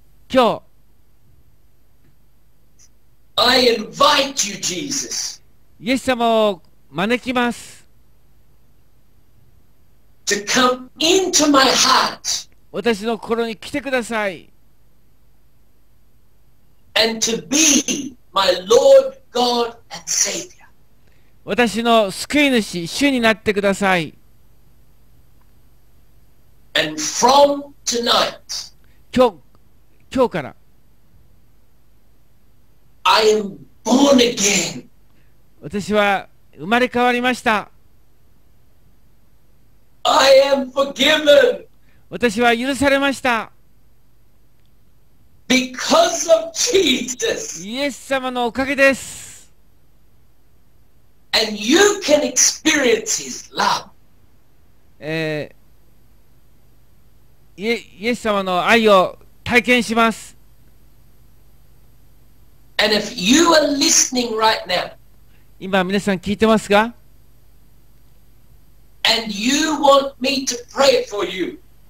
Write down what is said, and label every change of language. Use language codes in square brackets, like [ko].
[ja] 今日 [en] I invite you, Jesus. [ja] イエス様を招きます。 [en] to come into my heart. [ja] 私の心に来てください。 [en] And to be my Lord, God, and Savior. [ja] 私の救い主、主になってください。 [en] And from tonight, [ja] 今日から、 [en] I am born again. [ja] 私は生まれ変わりました。 [en] I am forgiven. [ja] 私は許されました。 [en] Because of Jesus. [ja] イエス様のおかげです。 [en] And you can experience his love. [ja] イエス様の愛を体験します。 [en] And if you are listening right now, [ja] 今皆さん聞いてますか? [en] And you want me to pray for you.